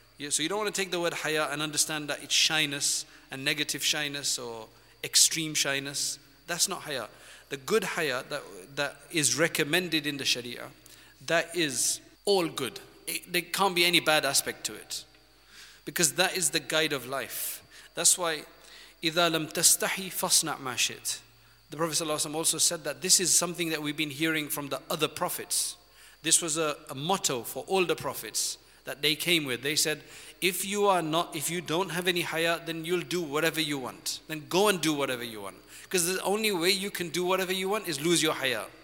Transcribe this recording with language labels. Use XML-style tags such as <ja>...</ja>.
<en>So you don't want to take the word haya and understand that it's shyness and negative shyness or extreme shyness. That's not haya. The good haya that is recommended in the sharia, that is all good. There can't be any bad aspect to it, because that is the guide of life. That's why,</en> <ar>إِذَا لَمْ تَسْتَحِي فَصْنَعْ مَا شِئْتَ.</ar> <en>The Prophet ﷺ also said that this is something that we've been hearing from the other prophets. This was a motto for all the prophets that they came with. They said, if you don't have any haya, then you'll do whatever you want. Then go and do whatever you want. Because the only way you can do whatever you want is lose your haya.</en>